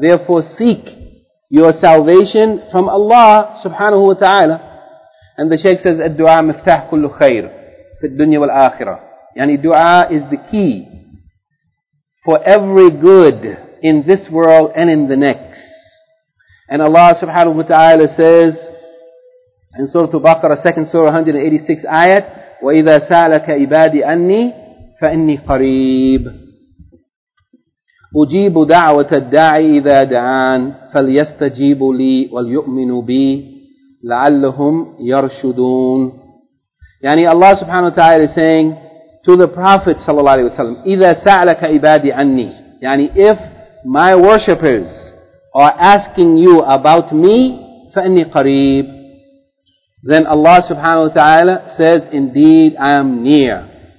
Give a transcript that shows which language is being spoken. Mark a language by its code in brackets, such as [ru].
[en] Therefore seek your salvation from Allah subhanahu wa ta'ala. And the Shaykh says, [ar] الدعاء مفتاح كل خير في الدنيا والآخرة. [en] Yani dua is the key for every good in this world and in the next. And Allah subhanahu wa ta'ala says in Surah Baqarah, second surah, 186 ayat, [ar] وَإِذَا سَأَلَكَ عِبَادِي أَنِّي فَإِنِّي قَرِيبٌ أُجِيبُ دَعْوَةَ الدَّاعِ إِذَا دَعَانِ فَلْيَسْتَجِيبُوا لِي وَلْيُؤْمِنُوا بِي لَعَلَّهُمْ يَرْشُدُونَ. [en] Yani Allah subhanahu wa ta'ala is saying to the Prophet sallallahu alayhi wa sallam, [ar] إِذَا سَأَلَكَ عِبَادِي أَنِّي. [en] Yani if my worshippers are asking you about me, [ar] فَإِنِّي قَرِيبٌ. [en] Then Allah subhanahu wa ta'ala says, indeed, I am near.